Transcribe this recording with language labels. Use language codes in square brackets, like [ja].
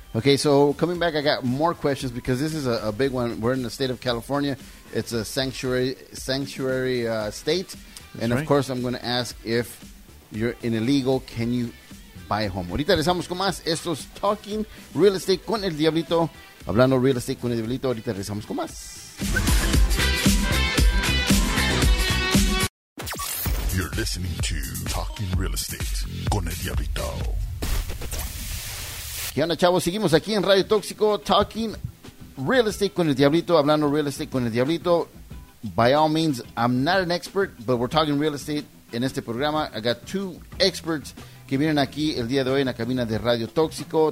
[en] Okay, so coming back, I got more questions, because this is a big one. We're in the state of California. It's a sanctuary state. And, of course, I'm going to ask if you're an illegal, can you buy a home? [es] Ahorita regresamos con más. Esto es Talking Real Estate con el Diablito. Hablando Real Estate con el Diablito. Ahorita regresamos con más. [en] You're listening to Talking Real Estate con el Diablito. [es] ¿Qué onda, chavos? Seguimos aquí en Radio Tóxico. Talking Real Estate con el Diablito. Hablando Real Estate con el Diablito. [en] By all means, I'm not an expert, but we're talking real estate in [es] este programa. [en] I got two experts [es] que vienen aquí el día de hoy en la cabina de Radio Tóxico.